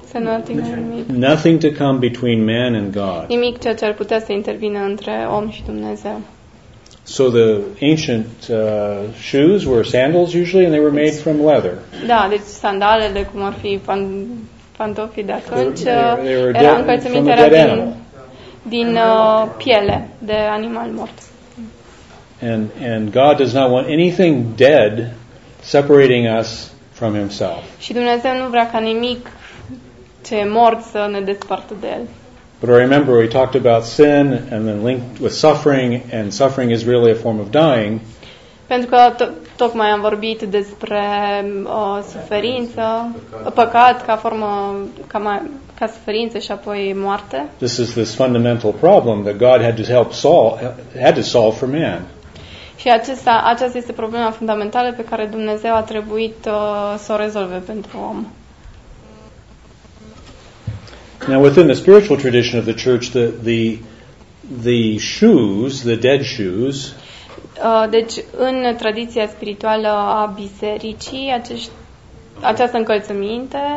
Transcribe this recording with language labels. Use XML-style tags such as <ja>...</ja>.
<en>Nothing to come between man and God.</en> <ro>Nimic ceea ce ar putea să intervină între om și Dumnezeu.</ro> <en>So the ancient shoes were sandals usually, and they were made from leather.</en> <ro>Da, deci sandalele, cum ar fi pantofii de atunci, erau încălțăminte piele de animal mort.</ro> <en>And God does not want anything dead separating us from himself.</en> <ro>Și Dumnezeu nu vrea ca nimic ce e mort să ne despartă de el.</ro> <en>But I remember we talked about sin and then linked with suffering, and suffering is really a form of dying.</en> <ro>Pentru că tocmai am vorbit despre suferință, păcat ca formă ca suferință și apoi moarte.</ro> <en>This is this fundamental problem that God had to solve for man.</en> <ro>Și aceasta este problema fundamentală pe care Dumnezeu a trebuit să o rezolve pentru om.</ro> <en>Now within the spiritual tradition of the church, the shoes, the dead shoes.</en> <ro>Deci în tradiția spirituală a bisericii, această încălțăminte</ro>